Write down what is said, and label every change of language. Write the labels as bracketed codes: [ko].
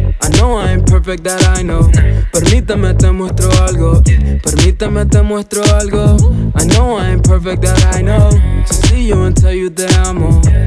[en] I know I ain't perfect, that I know. [es] Permítame te muestro algo. Permítame te muestro algo. [en] I know I ain't perfect, that I know. To see you and tell you [es] te amo.